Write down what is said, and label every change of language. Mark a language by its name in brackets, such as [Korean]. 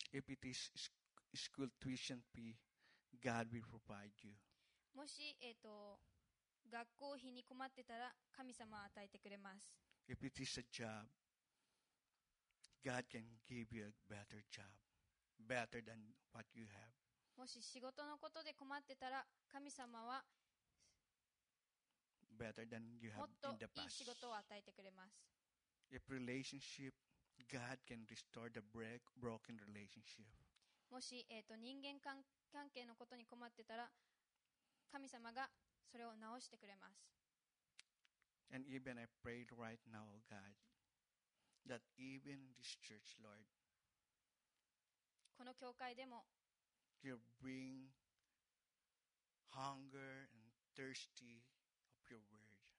[English] If it is school tuition fee, God will provide you. [Japanese] もし、学校費に困ってたら、神様は与えてくれます。 [English] If it is a job, God can give you a better job, better than what you have. [Japanese] もし仕事のことで困ってたら、神様は、 [English] better than you have in the past. [Japanese] もっといい仕事を与えてくれます。 [English] If relationship,God can restore the broken relationship. [Japanese] もし、人間関係のことに困ってたら、神様がそれを直してくれます。 [English] And even I pray right now, God, that even in this church, Lord, [Japanese] この教会でも、 [English] You bring hunger and thirsty of your word.